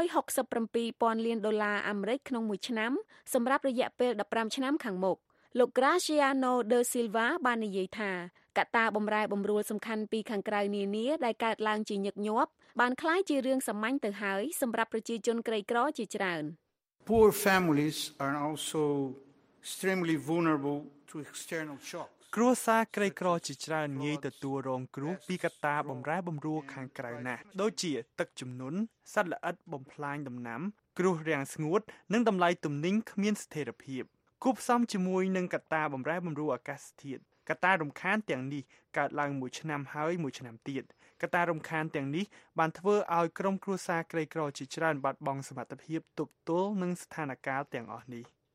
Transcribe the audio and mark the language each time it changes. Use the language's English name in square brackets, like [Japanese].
[Khmer] 267,000លានដុល្លារអាមេរិកក្នុងមួយឆ្នាំសម្រាប់រយៈពេល15ឆ្នាំខាងមុខលោក Graziano da Silva បាននិយាយថាកត្តាបំរែបំរួលសំខាន់ពីខាងក្រៅនានាដែលកើតឡើងជាញឹកញាប់បានក្លាយជារឿងសាមញ្ញទៅហើយសម្រាប់ប្រជាជនក្រីក្រជាច្រើន [English] Poor families are also extremely vulnerable to external shocks. [Khmer] គ្រួសារក្រីក្រជាច្រើនងាយទទួលរងគ្រោះពីកត្តាបំរែបំរួលខាងក្រៅណាស់ដូចជាទឹកជំនន់សត្វល្អិតបំផ្លាញដំណាំគ្រោះរាំងស្ងួតនិងតម្លៃទំនិញគ្មានស្ថិរភាពគូផ្សំជាមួយនឹងកត្តាបំរែបំរួលអាកាសធាតុកត្តារំខានទាំងនេះកើតឡើងមួយឆ្នាំហើយមួយឆ្នាំទៀតកត្តារំខានទាំងនេះបានធ្វើឲ្យក្រុមគ្រួសារក្រីក្រជាច្រើនបាត់បង់សមត្ថភាពទប់ទល់នឹងស្ថានភាពទាំងអស់នេះ